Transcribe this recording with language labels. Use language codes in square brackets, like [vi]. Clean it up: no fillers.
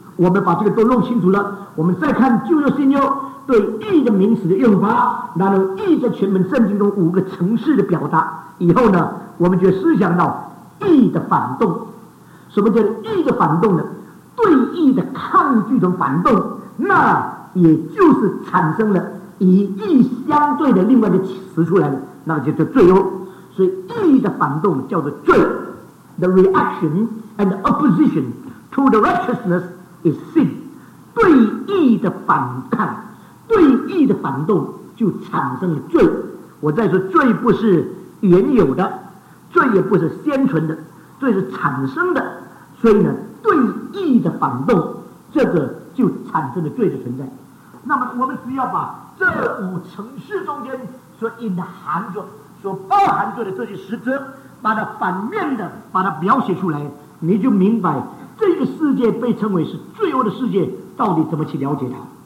[zh] 我们把这个都弄清楚了，我们再看旧约新约对义的名词的用法，那么义在全本圣经中五个层次的表达以后呢，我们就思想到义的反动。什么叫义的反动呢？对义的抗拒的反动，那也就是产生了以义相对的另外的词出来了，那就叫罪恶。所以义的反动叫做罪。 [en] The reaction and opposition to the righteousness is sin， [zh] 对义的反抗，对义的反动就产生了罪。我再说，罪不是原有的，罪也不是先存的，罪是产生的。所以呢，对义的反动，这个就产生了罪的存在。那么我们只要把这五层次中间所隐含着、所包含着的这些实质，把它反面的把它描写出来，你就明白这个世界被称为是罪恶的世界到底怎么去了解它。